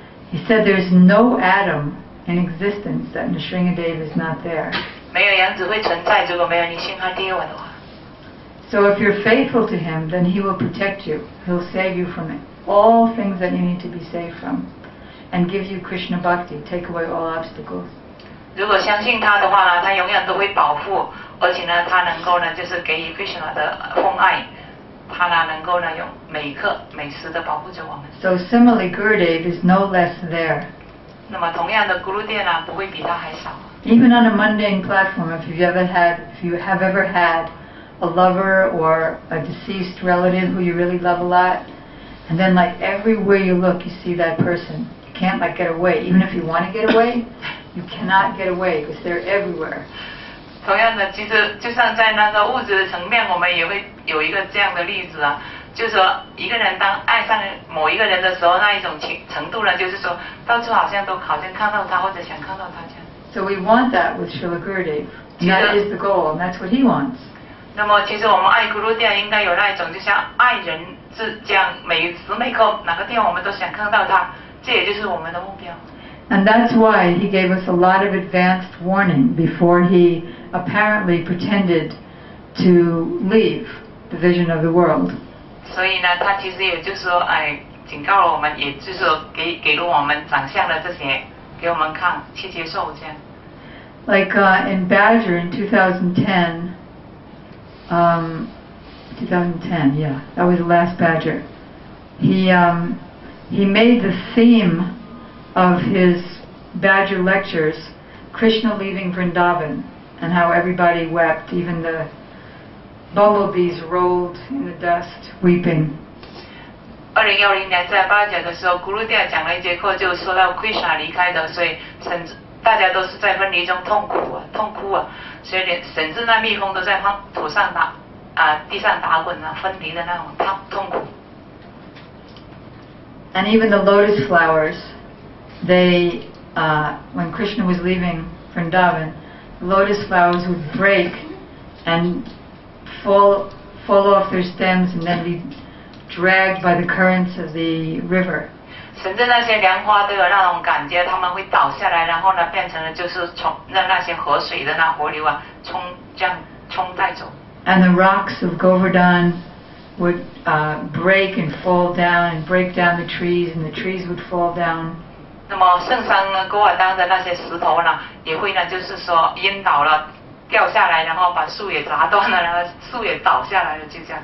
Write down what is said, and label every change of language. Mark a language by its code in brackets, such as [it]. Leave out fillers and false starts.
[en] He said there is no atom in existence that Nishinga Dev is not there. [zh] 没有样子会存在，如果没有尼辛哈迪瓦的话。 [en] So if you're faithful to him, then he will protect you. He'll save you from all things that you need to be saved from and give you Krishna Bhakti, take away all obstacles. [zh] 如果相信他的话呢，他永远都会保护，而且呢，他能够呢，就是给予 Krishna 的奉爱，他呢，能够呢，用每刻每时的保护着我们。 [en] So similarly, Gurudev is no less there. [zh] 那么同样的 Gurudev 呢，不会比他还少。 [en] Even on a mundane platform, if you have ever had a lover or a deceased relative who you really love a lot, and then like everywhere you look, you see that person. You can't like get away. Even if you want to get away, you cannot get away because they're everywhere. [zh] 同样的，其实就算在那个物质的层面，我们也会有一个这样的例子啊，就是说一个人当爱上某一个人的时候，那一种程度呢，就是说到处好像看到他或者想看到他这样。 [en] So we want that with Srila Gurudev. That is the goal, and that's what he wants. [zh] 那么其实我们爱 Gurudev 应该有那一种就像爱人是这样每时每刻哪个地方我们都想看到他这也就是我们的目标 [en] And that's why he gave us a lot of advanced warning before he apparently pretended to leave the vision of the world [zh] 所以呢他其实也就是说警告了我们也就是说 给了我们长相的这些给我们看去接受这样 [en] Like in Badger in 2010that was the last badger. He made the theme of his badger lectures Krishna leaving Vrindavan and how everybody wept, even the bumblebees rolled in the dust weeping. [zh] 2010年在 badger 的时候 Gurudev 讲了一节课就说到 Krishna 离开的所以大家都是在分离中痛哭啊所以甚至那蜜蜂都在土上打地上打滚啊分离的那种痛苦 [en] And even the lotus flowers when Krishna was leaving Vrindavan lotus flowers would break and fall off their stems and then be dragged by the currents of the river [zh] 甚至那些莲花都有那种感觉，他们会倒下来，然后呢，变成了就是冲让那些河水的那河流啊，冲带走。 [en] And the rocks of Govardhan would break and fall down and break down the trees, and the trees would fall down. [zh] 那么圣山呢，戈瓦当的那些石头呢，也会呢，就是说晕倒了，掉下来，然后把树也砸断了，然后树也倒下来了，就这样。